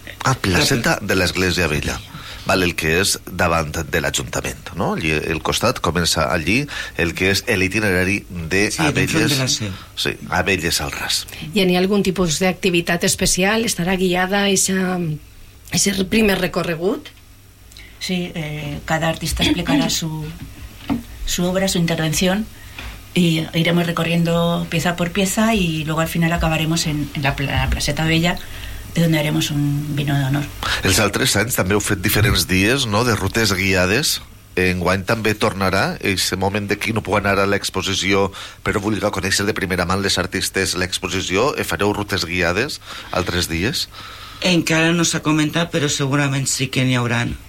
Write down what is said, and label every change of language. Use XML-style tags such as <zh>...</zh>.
<ca>Ah, placeta de l'Església Vella. Vale, el que és davant de l'Ajuntament, no? Allí, el costat comença allí, el que és l'itinerari d'Abelles. Sí, Abelles al Ras. I hi ha algun tipus d'activitat especial? Estarà guiada ese primer recorregut?</ca> <es>Sí, cada artista explicarà su obra, su intervención, y iremos recorriendo pieza por pieza y luego al final acabaremos en la placeta Vella, de donde haremos un vino de honor.</es> <ca>Els altres anys també heu fet diferents dies, no?, de rutes guiades. Enguany també tornarà aquest moment de qui no pugui anar a l'exposició però vulgui conèixer de primera mà les artistes l'exposició. Fareu rutes guiades altres dies? Encara no s'ha comentat, però segurament sí que n'hi haurà.</ca>